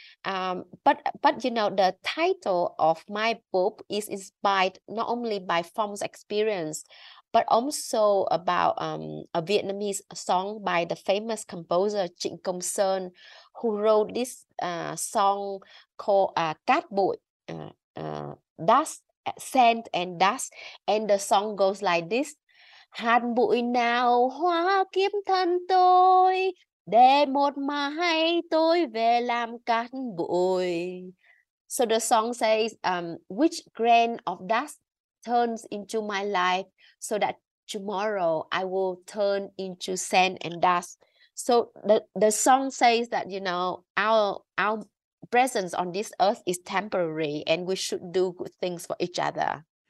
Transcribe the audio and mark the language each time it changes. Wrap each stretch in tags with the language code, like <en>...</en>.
<en>But the title of my book is inspired not only by Phong's experience, but also about a Vietnamese song by the famous composer Trịnh Công Sơn, who wrote this song called Cát Bụi, Dust. Sand and dust, and the song goes like this:</en> <vi>Hạt bụi nào hóa kiếp thân tôi, để một mai tôi về làm cát bụi.</vi> <en>So the song says, which grain of dust turns into my life so that tomorrow I will turn into sand and dust. So the song says that, our presence on this earth is temporary, and we should do good things for each other.</en>